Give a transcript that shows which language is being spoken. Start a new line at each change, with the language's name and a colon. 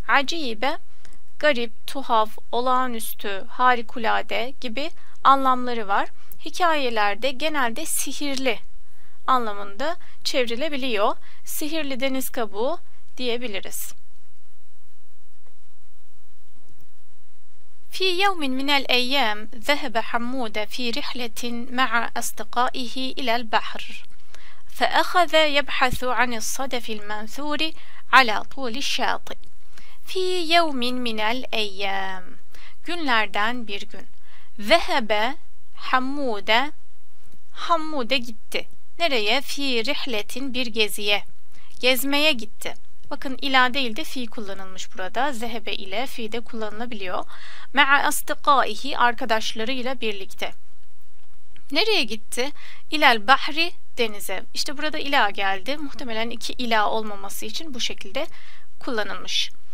Turkish: عَجِيبَ, garip, tuhaf, olağanüstü, harikulade gibi anlamları var. Hikayelerde genelde sihirli anlamında çevrilebiliyor. Sihirli deniz kabuğu diyebiliriz.
Arabic: في يوم من الأيام ذهب حمودة في رحلة مع أصدقائه إلى البحر فأخذ يبحث عن الصدف المنثور على طول الشاطئ في يوم من الأيام
Turkish: Günlerden bir gün
Arabic: ذهب حمودة حمودة
Turkish: gitti Nereye?
Arabic: في رحلة
Turkish: bir geziye Gezmeye gitti Bakın ila değil de fi kullanılmış burada. Zehebe ile fi de kullanılabiliyor.
Arabic: Ma'a astiqaihi
Turkish: arkadaşlarıyla birlikte. Nereye gitti? İlal bahri denize. İşte burada ila geldi. Muhtemelen iki ila olmaması için bu şekilde kullanılmış.